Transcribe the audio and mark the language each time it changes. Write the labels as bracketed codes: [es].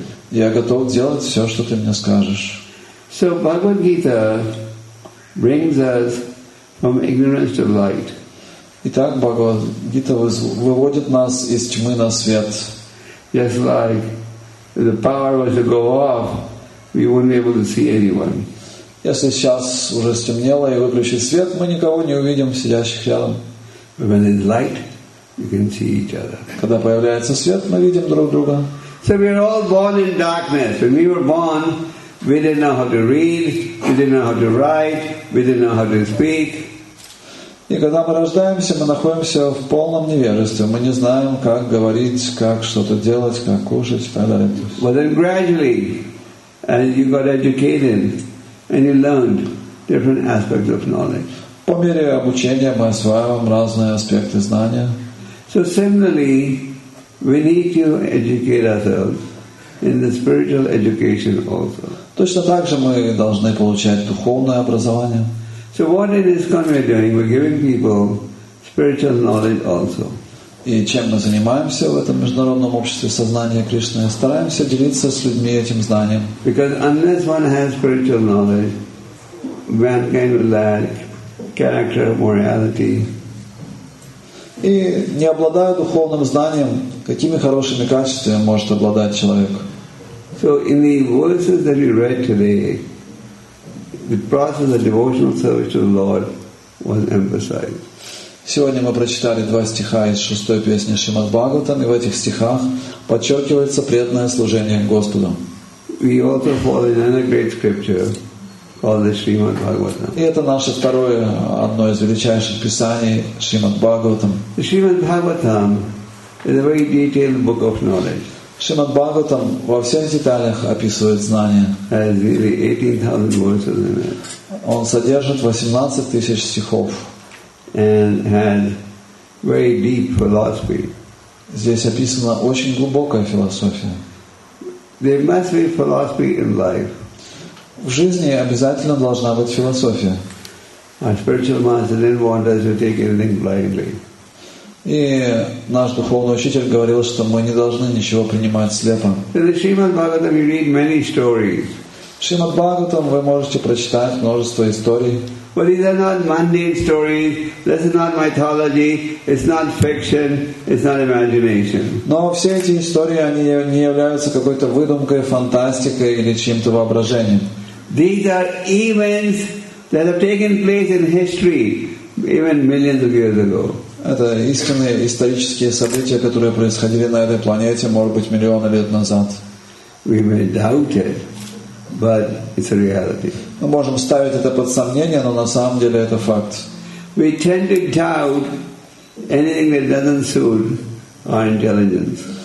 [ru] Я готов делать все, что ты мне скажешь. [en] So Bhagavad Gita brings us from ignorance to light. [ru] Итак, Бхагавад Гита выводит нас из тьмы на свет. [en] Just like the power was to go off, we wouldn't be able to see anyone. [ru] Если сейчас уже стемнело и выключит свет, мы никого не увидим, сидящих рядом. [en] When there's light, you can see each other. [ru] Когда появляется свет, мы видим друг друга. [en] So we are all born in darkness. When we were born, we didn't know how to read, we didn't know how to write, we didn't know how to speak. [ru] И когда мы рождаемся, мы находимся в полном невежестве. Мы не знаем, как говорить, как что-то делать, как кушать и так далее. [en] But then gradually, and you got educated. And you learned different aspects of knowledge. [ru] По мере обучения мы осваиваем разные аспекты знания. [en] So similarly, we need to educate ourselves in the spiritual education also. [ru] Точно так же мы должны получать духовное образование. [en] So what in this kind we're doing? We're giving people spiritual knowledge also. [ru] И чем мы занимаемся в этом международном обществе сознания Кришны? Стараемся делиться с людьми этим знанием. [en] Because unless one has spiritual knowledge, mankind will lack character, morality. [ru] И не обладая духовным знанием, какими хорошими качествами может обладать человек? [en] So in the verses that we read today, the process of devotional service to the Lord was emphasized. [ru] Сегодня мы прочитали два стиха из шестой песни Шримад Бхагаватам, и в этих стихах подчеркивается преданное служение Господу. [en] We also follow another great scripture called the Shrimad Bhagavatam. [ru] И это наше второе, одно из величайших писаний Шримад Бхагаватам. [en] The Shrimad Bhagavatam is a very detailed book of knowledge. [ru] Шримад Бхагаватам во всех деталях описывает знания. [en] Has really 18,000 verses in it. [ru] Он содержит 18 тысяч стихов. [en] And had very deep philosophy. [ru] Здесь описана очень глубокая философия. [en] There must be philosophy in life. [ru] В жизни обязательно должна быть философия. [en] Our spiritual master didn't want us to take anything blindly. [ru] И наш духовный учитель говорил, что мы не должны ничего принимать слепо. [en] In the Shrimad Bhagavatam, you read many stories. [ru] В Шримад Бхагаватам вы можете прочитать множество историй. [en] But these are not mundane stories. This is not mythology. It's not fiction. It's not imagination. [ru] Но все эти истории, они не являются какой-то выдумкой, фантастикой или чьим-то воображением. [en] These are events that have taken place in history, even millions of years ago. [ru] Это истинные исторические события, которые происходили на этой планете, может быть, миллионы лет назад. [en] We may doubt it. But it's a reality. [ru] Мы можем ставить это под сомнение, но на самом деле это факт. [en] We tend to doubt anything that doesn't suit our intelligence.